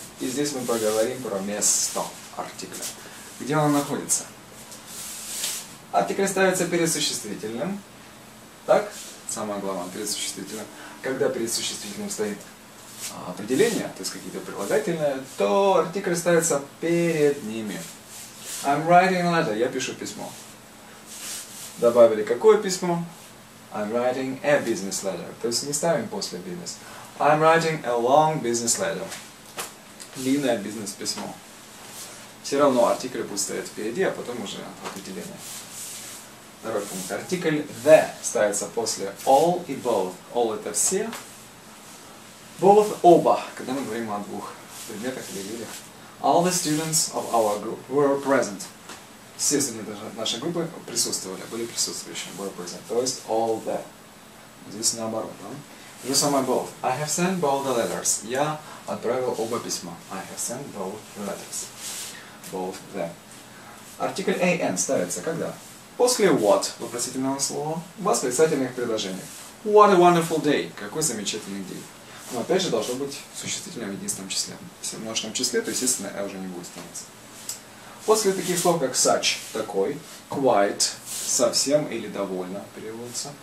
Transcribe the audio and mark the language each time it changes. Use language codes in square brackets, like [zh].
[ru] И здесь мы поговорим про место артикля. Где оно находится? Артикль ставится перед существительным. Так? Самое главное, перед существительным. Когда перед существительным стоит определение, то есть какие-то прилагательные, то артикль ставится перед ними. [en] I'm writing a letter. [ru] Я пишу письмо. Добавили какое письмо? [en] I'm writing a business letter. [ru] То есть не ставим после business. [en] I'm writing a long business letter. [ru] Длинное бизнес-письмо. Все равно артикль будет стоять впереди, а потом уже определение. Второй пункт. Артикль the ставится после all и both. All это все. Both оба, когда мы говорим о двух предметах или людях. [en] All the students of our group were present. [ru] Все студенты нашей группы присутствовали, были присутствующими, [en] were present. [ru] То есть all the. Здесь наоборот, да? Же самое both. [en] I have sent both the letters. [ru] Я отправил оба письма. [en] I have sent both the letters. Both the. [ru] Артикль an ставится когда? После what? Вопросительного слова. Восклицательных предложений. [en] What a wonderful day. [ru] Какой замечательный день. Но опять же должно быть существительное в единственном числе. Если в множественном числе, то естественно a уже не будет ставиться. После таких слов, как such, такой, quite, совсем или довольно переводится.